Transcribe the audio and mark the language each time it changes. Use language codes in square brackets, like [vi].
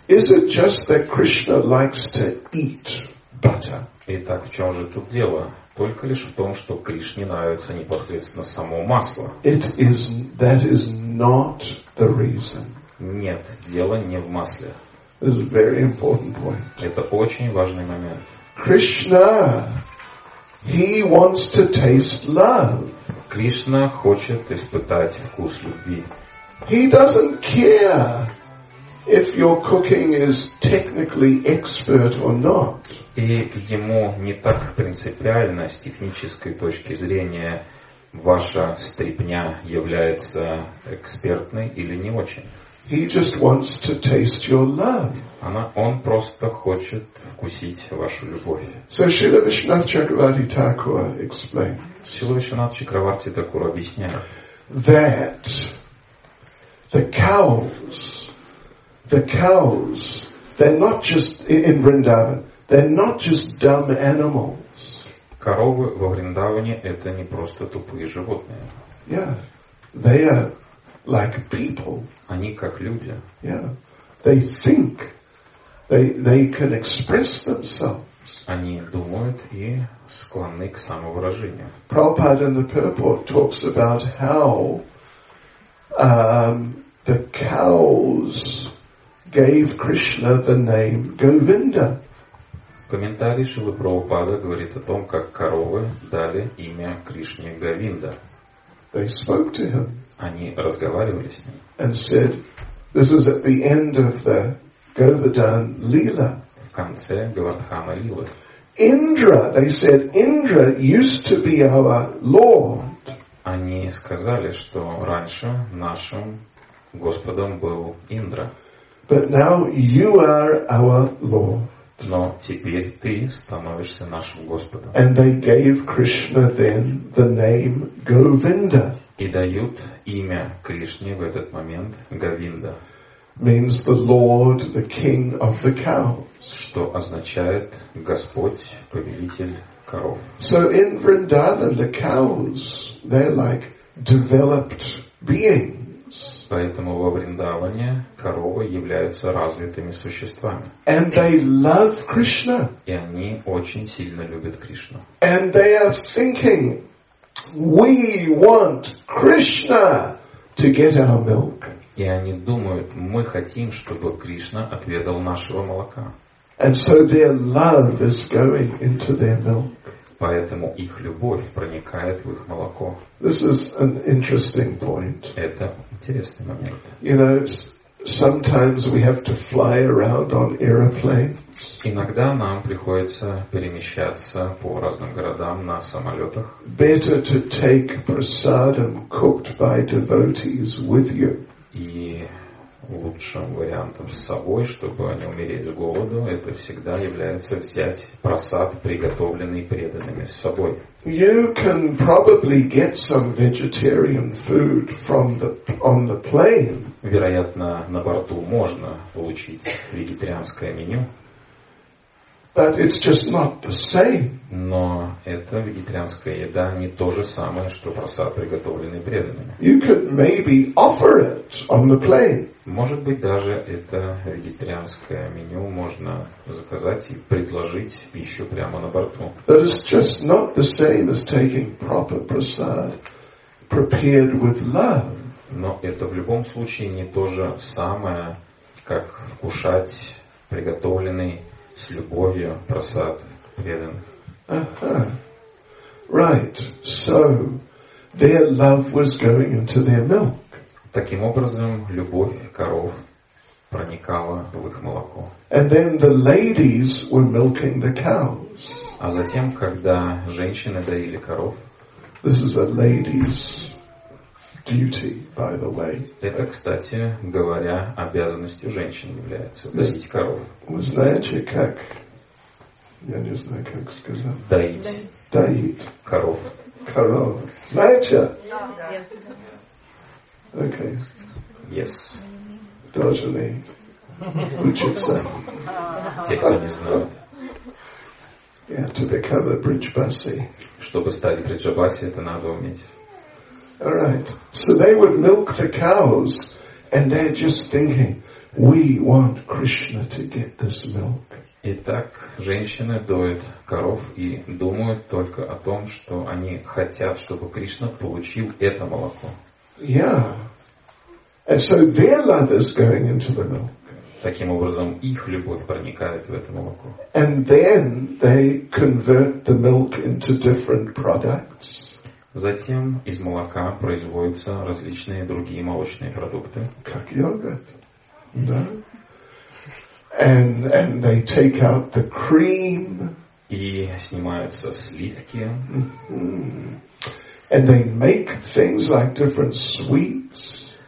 [en] Is it just that Krishna likes to eat butter? [ru] Итак, в чем же тут дело? Только лишь в том, что Кришне нравится непосредственно само масло. [en] It is, that is not the reason. [ru] Нет, дело не в масле. [en] This is a very important point. [ru] Это очень важный момент. [en] Krishna, he wants to taste love. [ru] Кришна хочет испытать вкус любви. [en] He doesn't care if your cooking is technically expert or not. [ru] И ему не так принципиально с технической точки зрения, ваша стряпня является экспертной или не очень. [en] He just wants to taste your love. [ru] Он просто хочет вкусить вашу любовь. [en] So Śrīla Viśvanātha Cakravarti Thakura explains. [ru] Śrīla Viśvanātha Cakravarti Thakura объясняет. [en] That the cows, they're not just in Vrindavan, they're not just dumb animals. [ru] Коровы во Вриндаване это не просто тупые животные. [en] Yeah, they are. Like people, [ru] они как люди. [en] Yeah, they think, they can express themselves. [ru] Они думают и склонны к самовыражению. [en] Prabhupada in the purport talks about how the cows gave Krishna the name Govinda. [ru] В комментарии Шрилы Прабхупады говорит о том, как коровы дали имя Кришне Говинда. [en] They spoke to him. [ru] Они разговаривали с ним. [en] And said, this is at the end of the Govardhan Leela. [ru] В конце Говардхана Лилы. [en] Indra, they said, Indra used to be our lord. [ru] Они сказали, что раньше нашим господом был Индра. [en] But now you are our lord. [ru] Но теперь ты становишься нашим господом. [en] And they gave Krishna then the name Govinda. [ru] И дают имя Кришне в этот момент Говинда. [en] Means the Lord, the King of the cows. [ru] Что означает Господь, повелитель коров. [en] So in Vrindavan the cows, they're like developed beings. [ru] Поэтому во Вриндаване коровы являются развитыми существами. [en] And they love Krishna. [ru] И они очень сильно любят Кришну. [en] And they are thinking. We want Krishna to get our milk. [ru] И они думают, мы хотим, чтобы Кришна отведал нашего молока. [en] And so their love is going into their milk. [ru] Поэтому их любовь проникает в их молоко. [en] This is an interesting point. [ru] Это интересный момент. [en] You know, sometimes we have to fly around on aeroplanes. [ru] Иногда нам приходится перемещаться по разным городам на самолетах. [en] Better to take prasadam cooked by devotees with you. [ru] И лучшим вариантом с собой, чтобы не умереть с голоду, это всегда является взять прасад, приготовленный преданными с собой. [en] You can probably get some vegetarian food from the on the plane. [ru] Вероятно, на борту можно получить вегетарианское меню. [en] But it's just not the same. [ru] Но это вегетарианская еда не то же самое, что просад, приготовленный преданными. [en] You could maybe offer it on the plane. [ru] Может быть, даже это вегетарианское меню можно заказать и предложить пищу прямо на борту. [en] But it's just not the same as taking proper prasad prepared with love. [ru] Но это в любом случае не то же самое, как вкушать приготовленный с любовью просад преданных. [en] Uh-huh. Right. So their love was going into their milk. [ru] Таким образом, любовь коров проникала в их молоко. [en] And then the ladies were milking the cows. [ru] А затем, когда женщины доили коров, [en] this is a lady's duty, by the way. [ru] Это, кстати говоря, обязанностью женщин является доить коров. Вы знаете, как? Я не знаю, как сказать. Доить. Доить. Коров. Коров. Знаете? Да. Окей. [en] Yes. [ru] Должны учиться. Те, кто не знают. [en] Yeah, to become a bridge bussy. [ru] Чтобы стать bridge bussy, это надо уметь. [en] All right. So they would milk the cows, and they're just thinking, we want Krishna to get this milk. [ru] Итак, женщины доят коров и думают только о том, что они хотят, чтобы Кришна получил это молоко. [en] Yeah. And so their love is going into the milk. [ru] Таким образом, их любовь проникает в это молоко. [en] And then they convert the milk into different products. [ru] Затем из молока производятся различные другие молочные продукты. Как йогурт. Да. [en] And they take out the cream. [ru] И снимаются сливки. [en] And they make things like different sweets.